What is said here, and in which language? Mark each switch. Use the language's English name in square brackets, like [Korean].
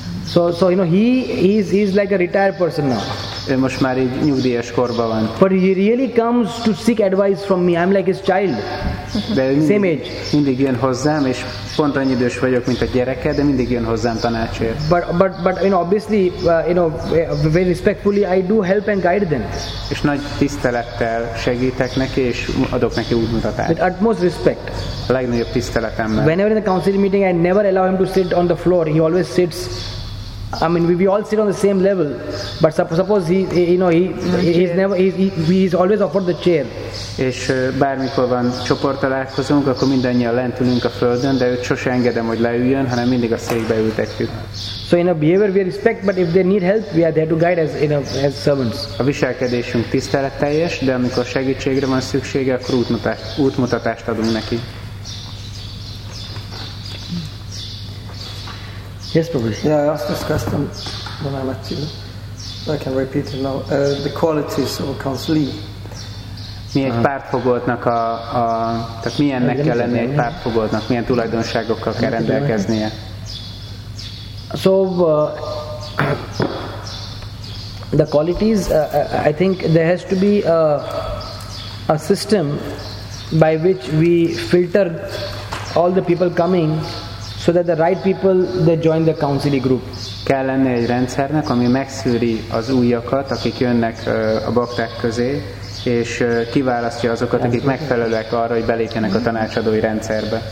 [English] So you know, he is like a retired person now. [Hungarian] Ő most már így nyugdíjas korban van. [English] But he really comes to seek advice from me. I'm like his child. Same age. [Hungarian] Mindig jön hozzám, és pont annyi idős vagyok, mint a gyereke, de mindig jön hozzám tanácsért. [English] But you know, obviously, very respectfully, I do help and guide them. [Hungarian] És nagy tisztelettel segítek neki, és adok neki útmutatást. [English] With utmost respect. [Hungarian] A legnagyobb tiszteletemmel. [English] Whenever in the council meeting, I never allow him to sit on the floor. He always sits. I mean, we all sit on the same level, but suppose he's always offered the chair. [Hungarian] És bármikor van csoporttalálkozónk, akkor mindannyian lent ülünk a földön, de őt sose engedem, hogy leüljön, hanem mindig a székbe ültetjük. [English] So in a behavior we respect, but if they need help, we are there to guide as servants. [Hungarian] A viselkedésünk tiszteletteljes, de amikor segítségre van szüksége, akkor útmutatást adunk neki. [English] Yes, probably. Yeah, I asked this question when I met you. I can repeat it now. The qualities of a counselee. [Hungarian] Mi egy pártfogoltnak a tehát milyennek kell lenni egy pártfogoltnak, milyen tulajdonságokkal kell rendelkeznie? [English] So the qualities, I think there has to be a system by which we filter all the people coming, so that the right people they join the counselee group. [Hungarian] Kell lenni egy rendszernek, ami megszűri az újakat, akik jönnek a bakták közé, és kiválasztja azokat, akik megfelelőek arra, hogy belépjenek a tanácsadói rendszerbe.